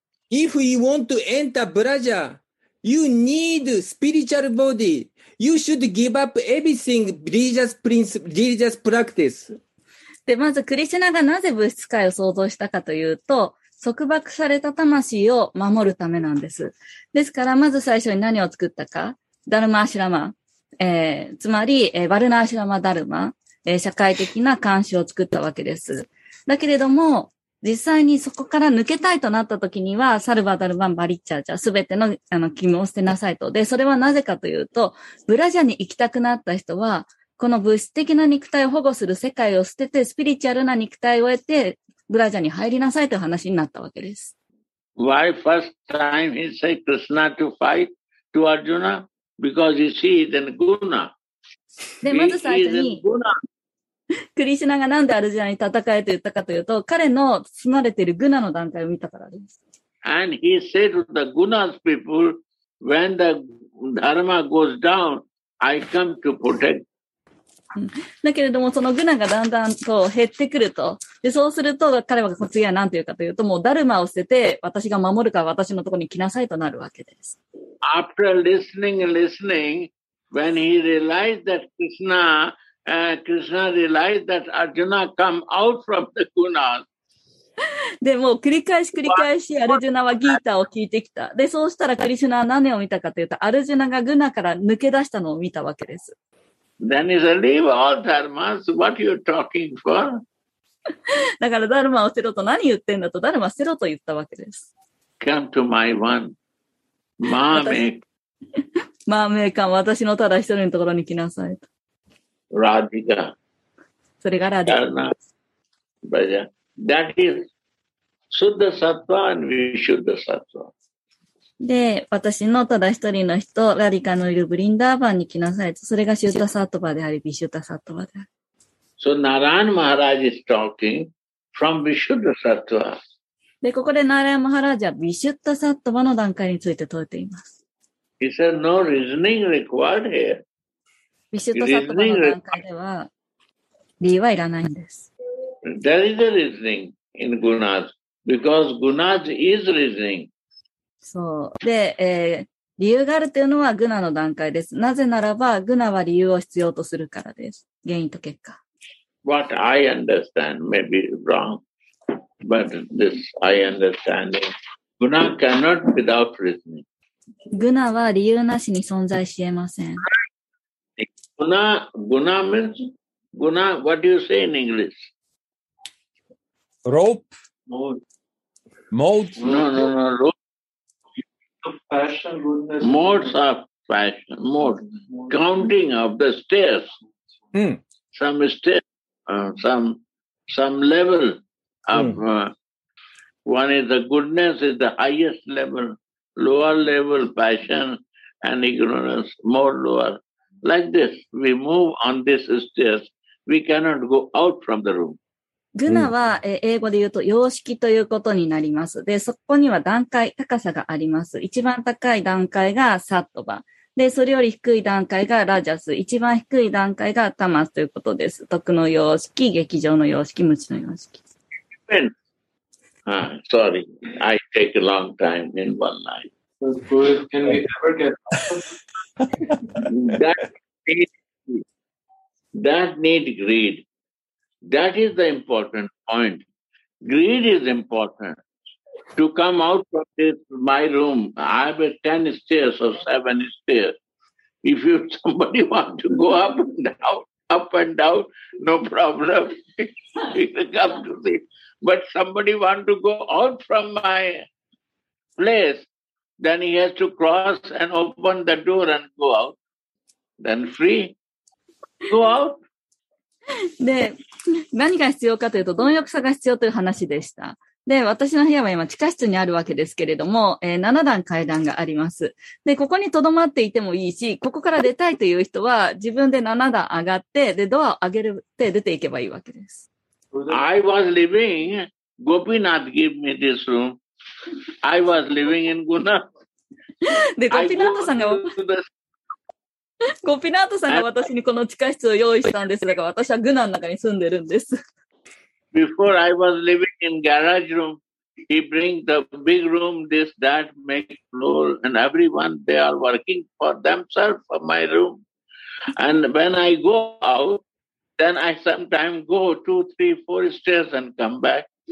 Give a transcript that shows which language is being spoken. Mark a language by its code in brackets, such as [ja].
[en] If you want to enter Braja, you need spiritual body. You should give up everything religious practice. [ja] で、まずクリシュナがなぜ物質界を創造したかというと、束縛された魂を守るためなんです。ですから、まず最初に何を作ったか、ダルマアシュラマ、つまり、ワルナアシュラマダルマ、社会的な監視を作ったわけです。だけれども、実際にそこから抜けたいとなった時には、サルバダルバンバリッチャーじゃ、すべての、義務を捨てなさいと。で、それはなぜかというと、ブラジャに行きたくなった人は、この物質的な肉体を保護する世界を捨てて、スピリチュアルな肉体を得て、ブラジャに入りなさいという話になったわけです。 [en] Why first time he said Krishna to fight to Arjuna? Because you see, then Guna. [ja] で、まず最初に、クリシュナがなんでアルジュナに戦えと言ったかというと、彼の住まれているグナの段階を見たからです。 [en] And he said to the Guna's people, when the Dharma goes down, I come to protect. [ja] だけれども、そのグナがだんだんと減ってくると、で、そうすると、彼は次は何というかというと、もうダルマを捨てて、私が守るから私のところに来なさいとなるわけです。 [en] After listening, when he realized that Krishna realized that Arjuna come out from the Guna. [ja] でも繰り返し繰り返しアルジュナはギータを聞いてきた。で、そうしたらクリシュナは何を見たかというと、アルジュナがグナから抜け出したのを見たわけです。 [en] Then he said, leave all dharmas. What are you talking for? [ja] だからダルマを捨てろと何言ってんだと、ダルマ捨てろと言ったわけです。 [en] Come to my one. Mame. [sa] Mame kan, [ja] 私のただ一人のところに来なさいと。 [en] Radhika. [ja] それがRadhika. [en] Dharma. Bhaja. That is Shuddha Sattva and Vishuddha Sattva. [ja] で、私のただ一人の人、ラディカのいるブリンダーバンに来なさいと、それがシュータサートバであり、ビシュータサートバである。 [en] So, Narayan Maharaj is talking from Vishuddha Sattva. [ja] で、ここでナーラヤ・マハラージはビシュッタサートバの段階について説いています。 [en] He said, no reasoning required here. [ja] ビシュッタサートバの段階では、理由はいらないんです。 There is a reasoning in Gunas, because Gunas is reasoning. そう。で、理由があるというのはグナの段階です。なぜならば、グナは理由を必要とするからです。原因と結果。 [en] What I understand may be wrong, but this I understand is, Guna cannot without reasoning. グナは理由なしに存在しえません。 Guna means, Guna, what do you say in English? Rope? Mode? No, rope. Fashion, modes of fashion, mode, counting of the stairs,、 mm. some stairs,、some level of、mm. One is the goodness is the highest level, lower level passion and ignorance, more lower. Like this, we move on this stairs, we cannot go out from the room. [ja] グナは英語で言うと様式ということになります。で、そこには段階、高さがあります。一番高い段階がサットバ。で、それより低い段階がラジャス。一番低い段階がタマスということです。徳の様式、劇場の様式、無知の様式。 [en] Sorry, I take a long time in one night. Can we ever get that need greed. That is the important point. Greed is important. To come out of this, my room, I have 10 stairs or 7 stairs. If you, somebody wants to go up and down, no problem. You can come to me. But somebody wants to go out from my place, then he has to cross and open the door and go out. Then free. Go out. [ja] で、何が必要かというと、貪欲さが必要という話でした。で、私の部屋は今地下室にあるわけですけれども、7段階段があります。で、ここに留まっていてもいいし、ここから出たいという人は、自分で7段上がって、で、ドアを上げるって出ていけばいいわけです。 [en] I was living, Gopinath gave me this room. I was living in Guna. [ja] で、Gopinathさんが。コピナートさんが私にこの地下室を用意したんですが、私はグナの中に住んでるんです。 [en] Before I was living in garage room, he brings the big room, this, that, make floor, and everyone, they are working for themselves for my room. And when I go out, then I sometimes go 2, 3, 4 stairs and come back.